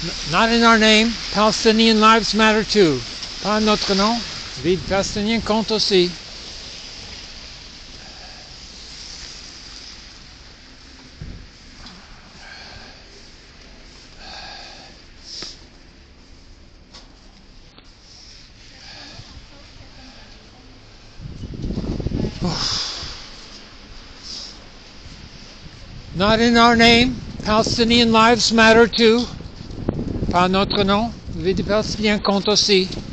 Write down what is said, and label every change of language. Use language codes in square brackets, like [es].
[en] Not in our name, Palestinian lives matter too. [fr] Pas en notre nom, vie palestinienne compte aussi. [en] Not in our name, Palestinian lives matter too. [fr] Pas notre nom, vie de Palestinien compte aussi.